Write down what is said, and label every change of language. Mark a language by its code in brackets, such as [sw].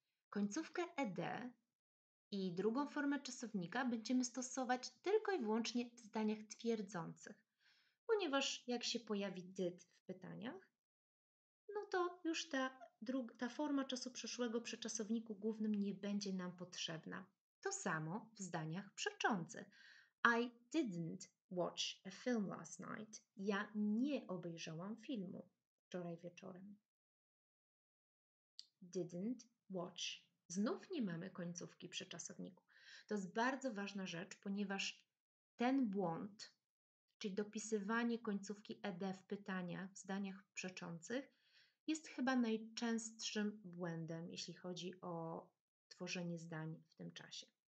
[pl] Końcówkę ed i drugą formę czasownika będziemy stosować tylko i wyłącznie w zdaniach twierdzących. Ponieważ jak się pojawi did w pytaniach, no to już ta forma czasu przeszłego przy czasowniku głównym nie będzie nam potrzebna. To samo w zdaniach przeczących. [en] I didn't watch a film last night. [pl] Ja nie obejrzałam filmu wczoraj wieczorem. [en] Didn't watch [pl] Znów nie mamy końcówki przy czasowniku. To jest bardzo ważna rzecz, ponieważ ten błąd, czyli dopisywanie końcówki ed w pytania, w zdaniach przeczących, jest chyba najczęstszym błędem, jeśli chodzi o tworzenie zdań w tym czasie.